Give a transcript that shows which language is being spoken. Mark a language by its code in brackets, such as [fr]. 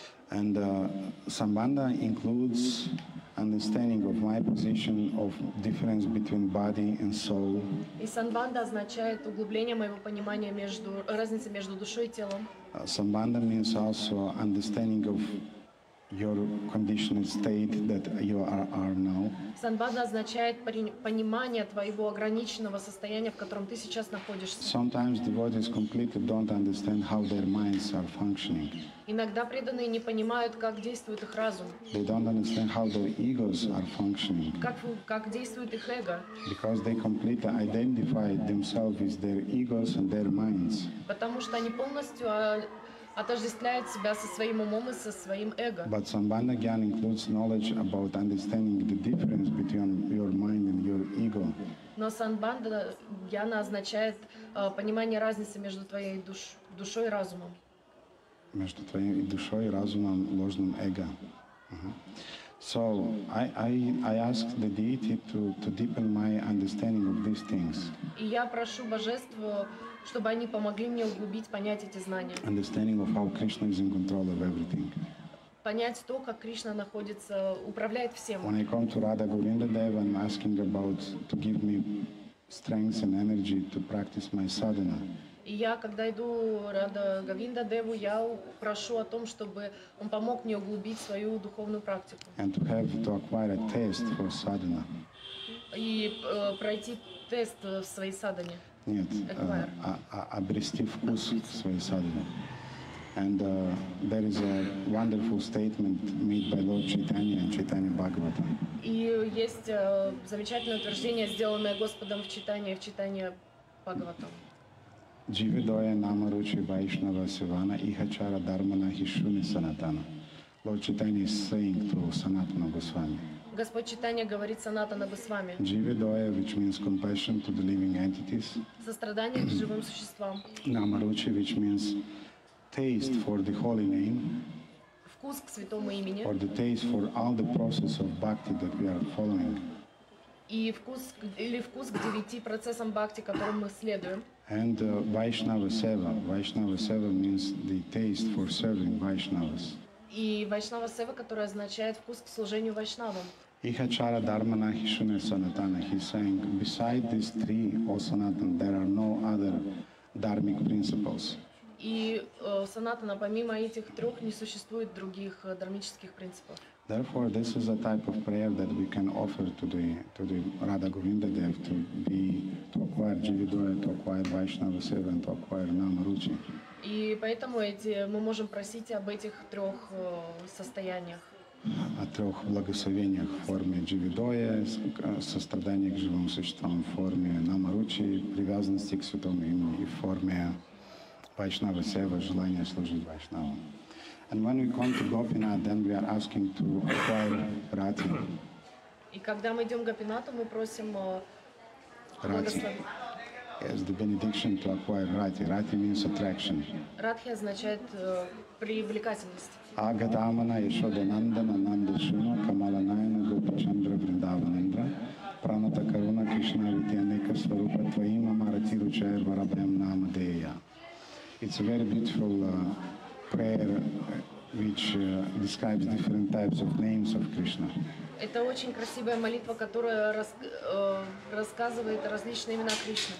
[en] And Sambandha includes understanding of my position of difference between body and soul. [ru] И Sambandha означает углубление моего понимания между разницы между душой и телом. [en] Sambandha means also understanding of your conditioned state that you are now. [ru] Sambandha означает понимание твоего ограниченного состояния, в котором ты сейчас находишься. [en] Sometimes devotees completely don't understand how their minds are functioning. [ru] Иногда преданные не понимают, как действует их разум. [en] They don't understand how their egos are functioning. [ru] Как действует их эго. [en] Because they completely identify themselves with their egos and their minds. [ru] Потому что они полностью отождествляют себя со своим умом и со своим эго. [en] But Sambandha Gyan includes knowledge about understanding the difference between your mind and your ego. [ru] Но Sambandha Gyan означает понимание разницы между твоей душой и разумом. между твоей душой, разумом, ложным эго. [en] So I ask the deity to deepen my understanding of these things. [ru] И я прошу божество, чтобы они помогли мне углубить понять эти знания. [en] Understanding of how Krishna is in control of everything. [ru] Понять то, как Кришна находится, управляет всем. [en] When I come to Radha Govinda Deva, I'm asking about to give me strength and energy to practice my sadhana. [ru] И я, когда иду Радха Говинда Деву, я прошу о том, чтобы он помог мне углубить свою духовную практику. [en] And to have to acquire a taste for sadhana. [ru] И пройти тест в своей садхане. Нет, обрести вкус в своей садхане. [en] And there is a wonderful statement made by Lord Chaitanya and Chaitanya Bhagavatam. [ru] И есть замечательное утверждение, сделанное Господом в Читании, в Читании Бхагаватам. [sa] Jividoya Namaruchi Vaishnava Sivana Ihachara Dharmana Hishuni Sanatana. [en] Lord Chaitanya is saying to Sanatana Goswami. [ru] Господь Читания говорит Санатана Госвами. [en] Jividoya, which means compassion to the living entities. [ru] Сострадание к живым существам. [en] Namaruchi, which means taste for the holy name. [ru] Вкус к святому имени. [en] Or the taste for all the process of bhakti that we are following. [ru] И вкус или вкус к девяти процессам бхакти, которым мы следуем. [en] And Vaishnava Seva. Vaishnava Seva means the taste for serving Vaishnavas. [ru] И Vaishnava Seva, которая означает вкус к служению Vaishnavam. [sa] Ihachara Dharmana Hishune Sanatana. [en] He's saying, beside these three, O Sanatana, there are no other dharmic principles. [ru] И Санатана, помимо этих трех, не существует других дармических принципов. [en] Therefore, this is a type of prayer that we can offer to the Radha Govinda Dev to acquire Jividoya, to acquire Vaishnava Seva, to acquire Namaruchi. [ru] И поэтому мы можем просить об этих трех состояниях. О трех благословениях в форме Jividoya, сострадания к живым существам, в форме Намаручи, привязанности к святому имени и в форме Vaishnava Seva, желание служить Vaishnava. [en] And when we come to Gopinath, then we are asking to acquire Rati. [ru] И когда мы идем к Гопинату, мы просим [en] Rati. Yes, the benediction to acquire Rati. Rati means attraction. [ru] Radhi означает привлекательность. [sa] Агатамана Ешодананда Нандашуна Камаланайна Гопичандра Вриндаванандра Праната Каруна Кришна Витианека Сварупа Твоим Амарати Ручаер Варабхем Намадея. [en] It's a very beautiful prayer which describes different types of names of Krishna. [ru] Это очень красивая молитва, которая рассказывает различные имена Кришны.